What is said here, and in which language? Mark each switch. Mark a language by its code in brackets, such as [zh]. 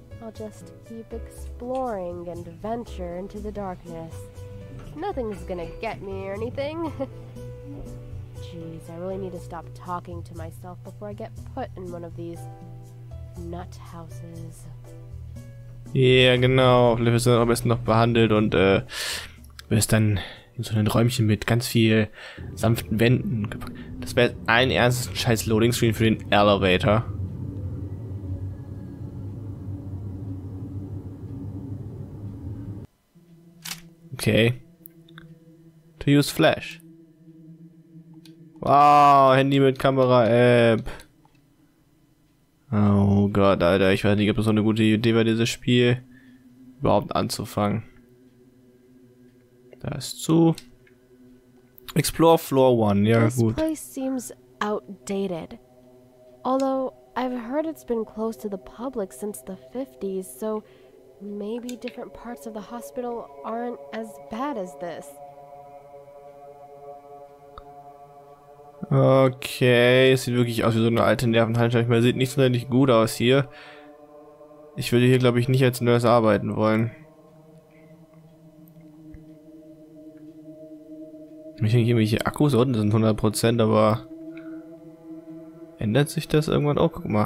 [en] I'll just keep exploring and venture into the darkness. Nothing's gonna get me or anything. Jeez, I really need to stop talking to myself before I get put in one of these nut houses. [de] Ja, genau. Vielleicht wirst du dann am besten noch behandelt und wirst dann in so ein Räumchen mit ganz viel sanften Wänden gepackt. Das wäre ein ernstes scheiß Loading Screen für den Elevator. Okay. To use Flash. Wow, Handy mit Kamera-App. Oh Gott, Alter, ich weiß nicht, ob das so eine gute Idee war, dieses Spiel überhaupt anzufangen. Da ist zu. [en] Explore Floor 1, [de] ja [en] this [de] gut. [en] This place seems outdated. Although, I've heard it's been close to the public since the 50s, so maybe different parts of the hospital aren't as bad as this. [de] Okay, es sieht wirklich aus wie so eine alte Nervenheilung. Man sieht nicht sonderlich gut aus hier. Ich würde hier, glaube ich, nicht als Nurse arbeiten wollen. Ich denke, irgendwelche Akkus unten sind 100%, aber ändert sich das irgendwann auch? Oh, guck mal.